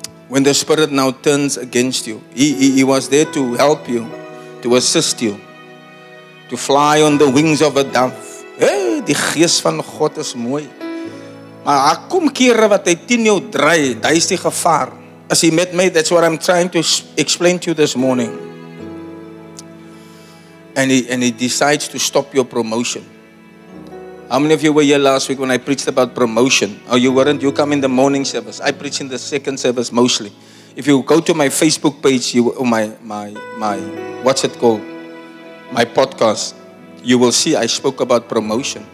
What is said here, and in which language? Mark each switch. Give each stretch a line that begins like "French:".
English: When the Spirit now turns against you, he was there to help you, to assist you, to fly on the wings of a dove.
Afrikaans: Hey, die gees van God is mooi. Maar hy kom kere wat hy teen jou draai, daar is die gevaar.
English: As he met me, that's what I'm trying to explain to you this morning. And he decides to stop your promotion. How many of you were here last week when I preached about promotion? Oh, you weren't? You come in the morning service. I preach in the second service mostly. If you go to my Facebook page, my podcast, you will see I spoke about promotion.